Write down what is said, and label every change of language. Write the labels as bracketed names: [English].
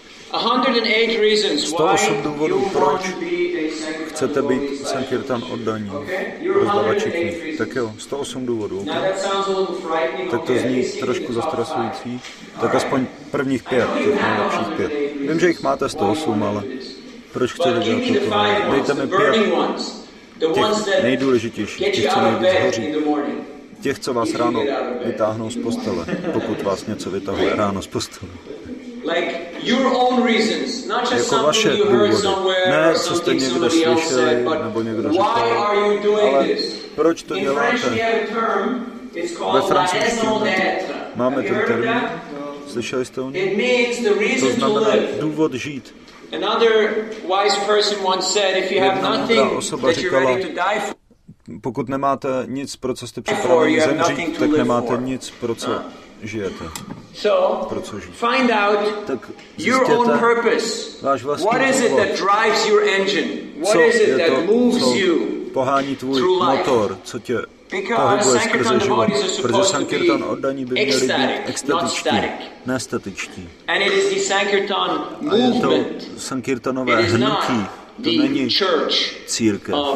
[English] 108 reasons why you want to be a sankirtan. [Czech] Chcete být sankirtan oddaní. Rozdavači knih. Tak jo, 108 důvodů. [English] Okay? [Czech] Tak to zní trošku zastrasující. Tak aspoň prvních pět, těch nejlepších pět. Vím, že jich máte 108, ale proč chcete dělat toto? Dejte mi pět těch nejdůležitějších, těch, co nejvíc hoří. Těch, co vás ráno vytáhnou z postele, pokud vás něco vytahuje ráno z postele. [English] Like your own reasons, not just [Czech] jako vaše důvody, ne, co jste někdo slyšeli, nebo někdo řekl, ale proč to děláte? Ve francouzštině máme ten termín, slyšeli jste o něm? To znamená důvod žít. [English] Another wise person once said, if you have nothing that you're ready to die for, [Czech] pokud nemáte nic, pro co jste připraveni zemřít, tak nemáte nic, pro co žijete. Pro co žijete. [English] Find out [Czech] tak zjistěte váš vlastní [English] what is it that drives your engine? What is it that moves you? [Czech] Pohání tvůj motor, co tě pohybuje skrze život. Protože sankirtan oddaní by měli být extatičtí, ne statičtí. A je to sankirtanové hnutí, to není církev.